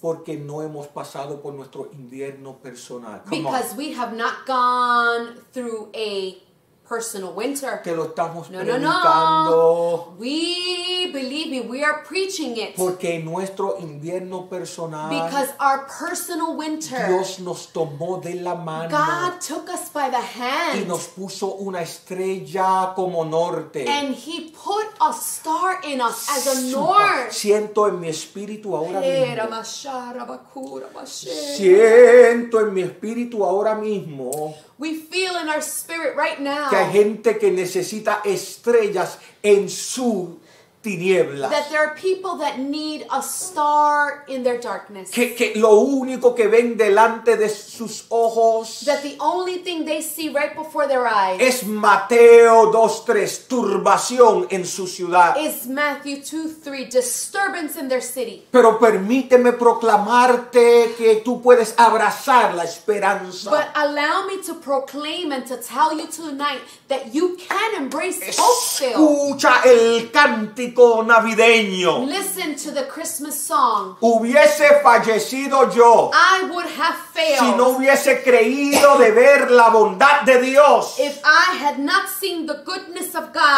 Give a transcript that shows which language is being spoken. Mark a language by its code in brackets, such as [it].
[es] Porque no hemos pasado por nuestro invierno personal. [en] Come because on. We have not gone through a personal winter. [es] Te lo estamos [en] no, [es] predicando. [en] No, no. We, believe me, we are preaching it. [es] Porque nuestro invierno personal. [en] Because our personal winter. [es] Dios nos tomó de la mano. [en] God took us by the hand. [es] Y nos puso una estrella como norte. [en] And he put a star in us as a north. [es] Siento en mi espíritu ahora mismo. Siento en mi espíritu ahora mismo. [en] We feel in our spirit right now. [es] Que hay gente que necesita estrellas en su tinieblas. [en] That there are people that need a star in their darkness. [es] Que lo único que ven delante de sus ojos. [en] That the only thing they see right before their eyes. [es] Es Mateo 2:3, turbación en su ciudad. [en] Is Matthew 2:3, disturbance in their city. [es] Pero permíteme proclamarte que tú puedes abrazar la esperanza. [en] But allow me to proclaim and to tell you tonight that you can embrace hope still. [es] Escucha el cante navideño. [en] Listen to the Christmas song. [es] Hubiese fallecido yo. [en] I would have failed. [es] Si no hubiese creído de ver la bondad de Dios. [en] If I had not seen the goodness of God.